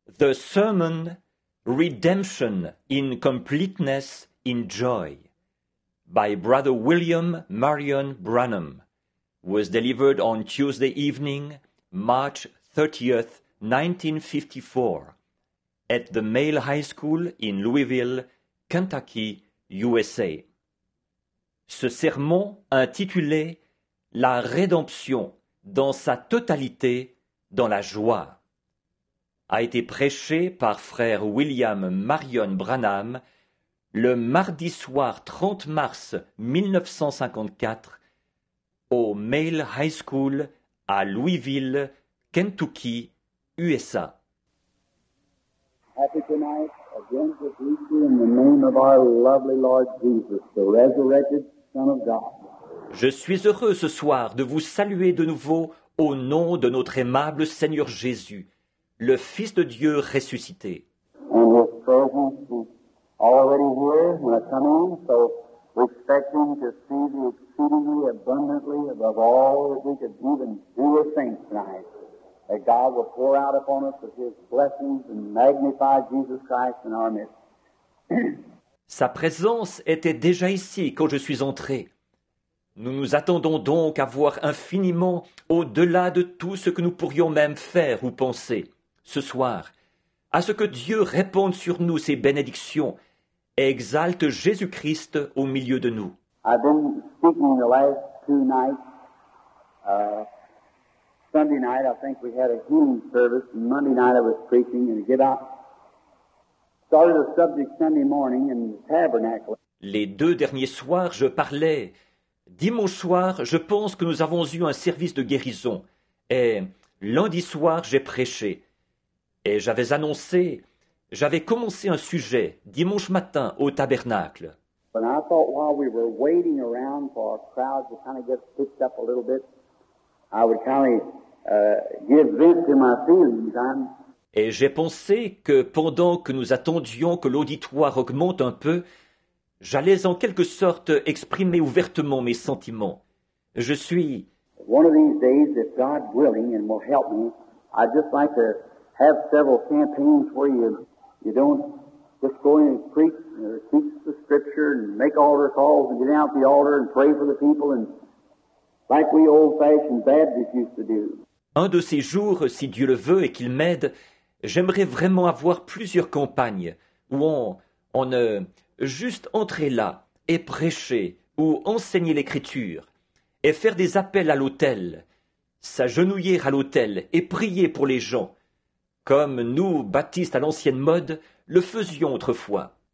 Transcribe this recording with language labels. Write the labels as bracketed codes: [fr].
[en] the sermon, Redemption in Completeness in Joy, by Brother William Marion Branham, was delivered on Tuesday evening, March 30th, 1954, at the Male High School in Louisville, Kentucky, USA. [fr] Ce sermon, intitulé « La rédemption dans sa totalité, dans la joie », a été prêché par frère William Marion Branham le mardi soir 30 mars 1954 au Male High School à Louisville, Kentucky, USA. [en] Happy tonight, again to greet you in the name of our lovely Lord Jesus, the resurrected Son of God. [fr] Je suis heureux ce soir de vous saluer de nouveau au nom de notre aimable Seigneur Jésus, le Fils de Dieu ressuscité. [en] And his presence is already here when I come in, so we expect him to see the exceedingly abundantly above all that we could even do or think tonight. That God will pour out upon us with his blessings and magnify Jesus Christ in our midst. [fr] Sa présence était déjà ici quand je suis entré. Nous nous attendons donc à voir infiniment au-delà de tout ce que nous pourrions même faire ou penser ce soir, à ce que Dieu répande sur nous ses bénédictions et exalte Jésus-Christ au milieu de nous. [en] I've been speaking the last two nights. Sunday night, I think we had a healing service, and Monday night I was preaching and give out. Started a subject Sunday morning in the tabernacle. [fr] Les deux derniers soirs, je parlais. Dimanche soir, je pense que nous avons eu un service de guérison. Et lundi soir, j'ai prêché. Et j'avais commencé un sujet dimanche matin au tabernacle. [en] But I thought while we were waiting around for our crowd to kind of get picked up a little bit, I would kind of give vent to my feelings. [fr] Et j'ai pensé que pendant que nous attendions que l'auditoire augmente un peu, j'allais en quelque sorte exprimer ouvertement mes sentiments. Je suis... [en] One of these days, if God willing and will help me, I'd just like to have several campaigns where you don't just go in and preach or teach the scripture and make altar calls and get out the altar and pray for the people and like we old-fashioned Baptists used to do. [fr] Un de ces jours, si Dieu le veut et qu'il m'aide, j'aimerais vraiment avoir plusieurs campagnes où juste entrer là et prêcher ou enseigner l'Écriture et faire des appels à l'autel, s'agenouiller à l'autel et prier pour les gens, comme nous, baptistes à l'ancienne mode, le faisions autrefois.